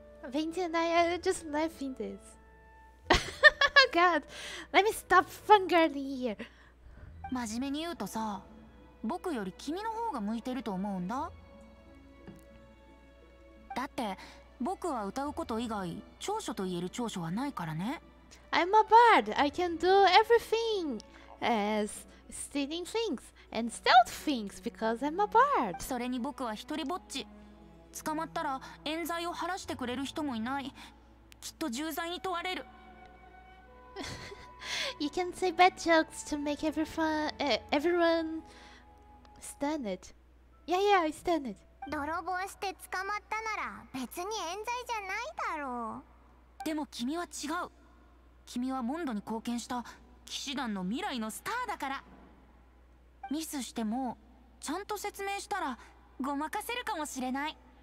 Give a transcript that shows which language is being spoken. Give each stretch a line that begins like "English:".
English: Venti and I are just laughing this. God, let me stop fangirling here.
Japanese: 真面目に言うとさ、僕より君の方が向いてると思うんだ。だって僕は歌うこと以外長所と言える長所はないからね。
English: I'm a bard. I can do everything as stealing things and stealth things because I'm a bard.
Japanese: それに僕は一人ぼっち。捕まったら冤罪を晴らしてくれる人もいない。きっと重罪に問われる。
English: You can say bad jokes to make everyone stand it. Yeah, yeah, I stand it.
Japanese: 泥棒して捕まったなら別に冤罪じゃないだろう。でも君は違う。君はモンドに貢献した騎士団の未来のスターだから。ミスしてもちゃんと説明したらごまかせるかもしれない。